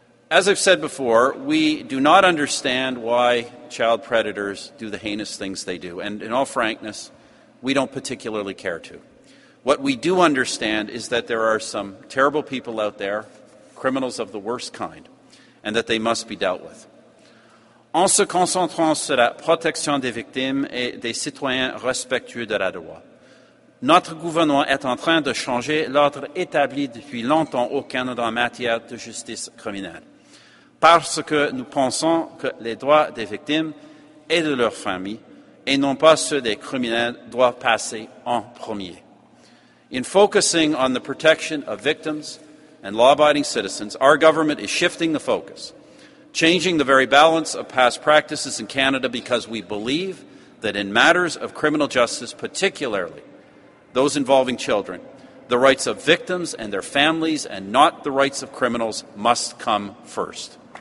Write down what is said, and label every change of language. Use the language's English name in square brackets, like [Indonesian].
[English] As I've said before, we do not understand why child predators do the heinous things they do. And in all frankness, we don't particularly care to. What we do understand is that there are some terrible people out there, criminals of the worst kind, and that they must be dealt with. [French] En se concentrant sur la protection des victimes et des citoyens respectueux de la loi, notre gouvernement est en train de changer l'ordre établi depuis longtemps au Canada en matière de justice criminelle. Parce que nous pensons que les droits des victimes et de leurs familles, et non pas ceux des criminels, doivent passer en premier. [English] In focusing on the protection of victims and law-abiding citizens, our government is shifting the focus, changing the very balance of past practices in Canada because we believe that in matters of criminal justice, particularly those involving children, the rights of victims and their families and not the rights of criminals must come first.